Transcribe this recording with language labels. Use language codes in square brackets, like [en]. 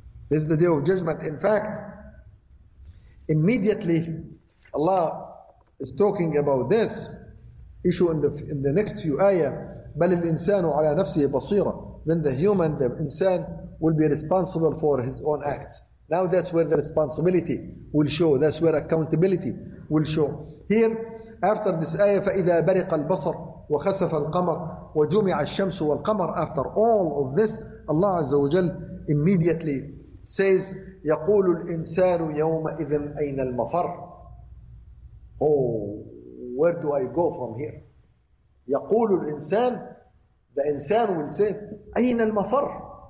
[en] This is the day of judgment. In fact, immediately Allah is talking about this issue in the next few ayah, [ar] بَلِ الْإِنسَانُ عَلَى نَفْسِهِ بَصِيرًا. [en] Then the human, the insan, will be responsible for his own acts. Now that's where the responsibility will show. That's where accountability will show. Here, after this ayah, [ar] فَإِذَا بَرِقَ الْبَصَرُ وَخَسَفَ الْقَمَرُ وَجُمِعَ الشَّمْسُ وَالْقَمَرُ. [en] After all of this, Allah Azza wa Jal immediately says, [ar] يَقُولُ الْإِنسَانُ يَوْمَئِذٍ أَيْنَ الْمَفَرُ. [en] Oh, where do I go from here? [ar] يَقُولُ الْإِنسَانُ, [en] the insan will say, [ar] أَيْنَ الْمَفَرُ?